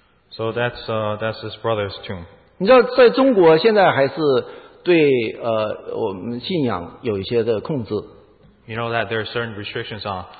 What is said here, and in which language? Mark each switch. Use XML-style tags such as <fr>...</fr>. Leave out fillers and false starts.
<en>So that's his brother's tomb.</en> <zh>你知道在中国现在还是对我们信仰有一些的控制。</zh> <en>You know that there are certain restrictions on</en>